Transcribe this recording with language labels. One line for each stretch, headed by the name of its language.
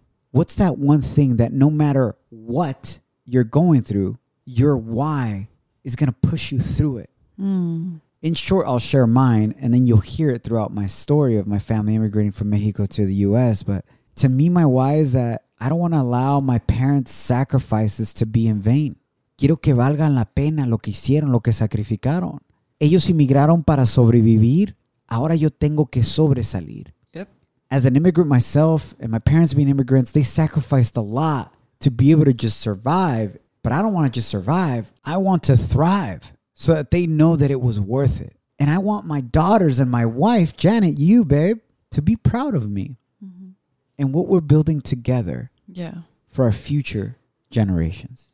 English: What's that one thing that no matter what you're going through, your why is going to push you through it? In short, I'll share mine, and then you'll hear it throughout my story of my family immigrating from Mexico to the U.S. But to me, my why is that I don't want to allow my parents' sacrifices to be in vain.
Spanish: Quiero que valga la pena lo que hicieron, lo que sacrificaron. Ellos inmigraron para sobrevivir. Ahora yo tengo que sobresalir.
English: Yep. As an immigrant myself, and my parents being immigrants, they sacrificed a lot to be able to just survive. But I don't want to just survive. I want to thrive. So that they know that it was worth it. And I want my daughters and my wife, Janet, you, babe, to be proud of me and what we're building together for our future generations.